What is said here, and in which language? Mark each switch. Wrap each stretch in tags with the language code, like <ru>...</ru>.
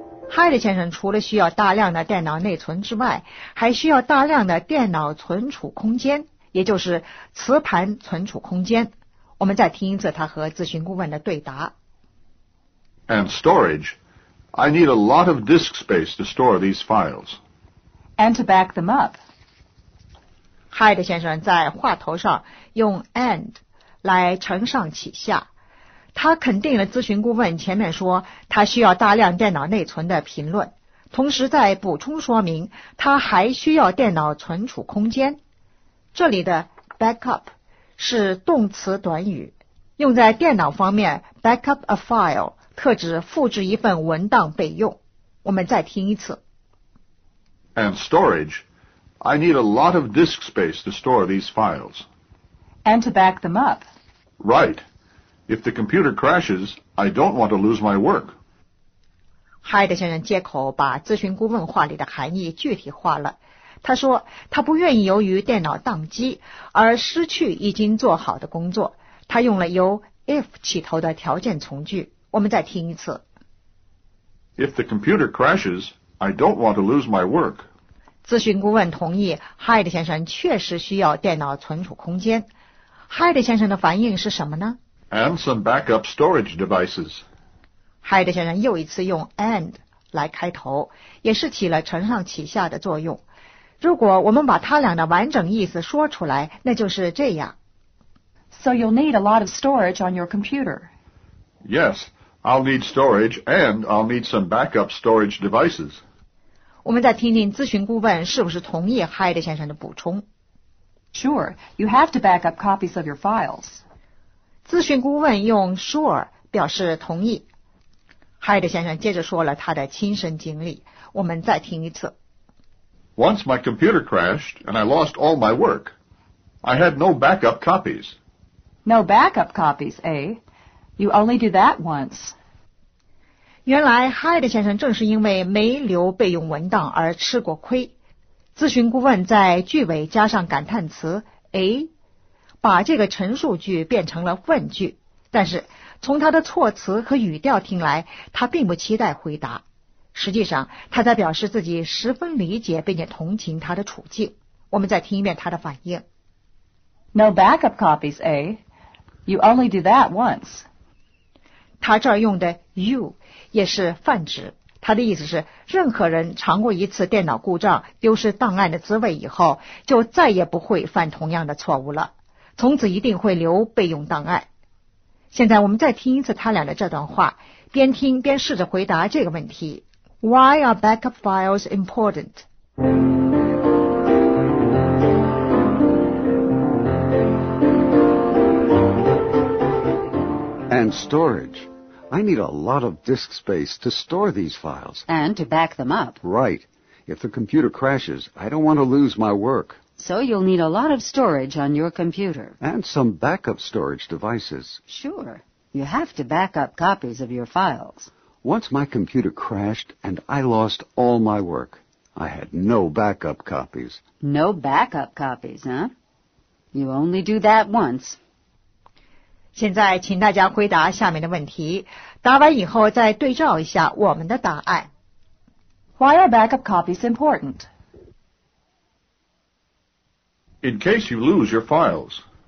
<zh>Hyde 先生除了需要大量的电脑内存之外，还需要大量的电脑存储空间，也就是磁盘存储空间。我们再听一次他和咨询顾问的对答。</zh> <en>And storage. I need a lot of disk space to store these files. And to back them up.</en> <zh>Hyde 先生在话头上用 and 来承上启下。他肯定了咨询顾问前面说他需要大量电脑内存的评论，同时在补充说明他还需要电脑存储空间。这里的 backup 是动词短语，用在电脑方面</zh> <en>backup a file</en> <zh>特指复制一份文档备用。我们再听一次。</zh> <en>And storage. I need a lot of disk space to store these files. And to back them up. Right. If the computer crashes, I don't want to lose my work.</en> <zh>Hyde 先生借口把咨询顾问话里的含义具体化了。他说他不愿意由于电脑宕机而失去已经做好的工作。他用了由 if 起头的条件从句。我们再听一次。</zh> <en>If the computer crashes, I don't want to lose my work.</en> <zh>咨询顾问同意 Hyde 先生确实需要电脑存储空间。 Hyde 先生的反应是什么呢？</zh> <en>And some backup storage devices.</en> <zh>Hyde 先生又一次用 and 来开头，也是起了承上启下的作用。如果我们把他俩的完整意思说出来，那就是这样。</zh> <en>So you'll need a lot of storage on your computer. Yes, I'll need storage and I'll need some backup storage devices.</en> <zh>我们再听听咨询顾问是不是同意 Hyde 先生的补充。</zh> <en>Sure, you have to back up copies of your files.</en> <zh>咨询顾问用 sure 表示同意。Hyde 先生接着说了他的亲身经历，我们再听一次。</zh> <en>Once my computer crashed and I lost all my work. I had no backup copies. No backup copies, eh? You only do that once.</en> <zh>原来 Hyde 先生正是因为没留备用文档而吃过亏。咨询顾问在句尾加上感叹词 A， 把这个陈述句变成了问句，但是从他的措辞和语调听来，他并不期待回答。实际上他在表示自己十分理解并且同情他的处境。我们再听一遍他的反应。</zh> <en>No backup copies, eh? You only do that once.</en> <zh>他这儿用的 you 也是泛指，他的意思是任何人尝过一次电脑故障丢失档案的滋味以后，就再也不会犯同样的错误了，从此一定会留备用档案。现在我们再听一次他俩的这段话，边听边试着回答这个问题。</zh> <en>Why are backup files important? And storageI need a lot of disk space to store these files. And to back them up. Right. If the computer crashes, I don't want to lose my work. So you'll need a lot of storage on your computer. And some backup storage devices. Sure. You have to back up copies of your files. Once my computer crashed and I lost all my work, I had no backup copies. No backup copies, huh? You only do that once.</en> <zh>现在请大家回答下面的问题，答完以后再对照一下我们的答案。</zh> <en>Why are backup copies important? In case you lose your files.</en>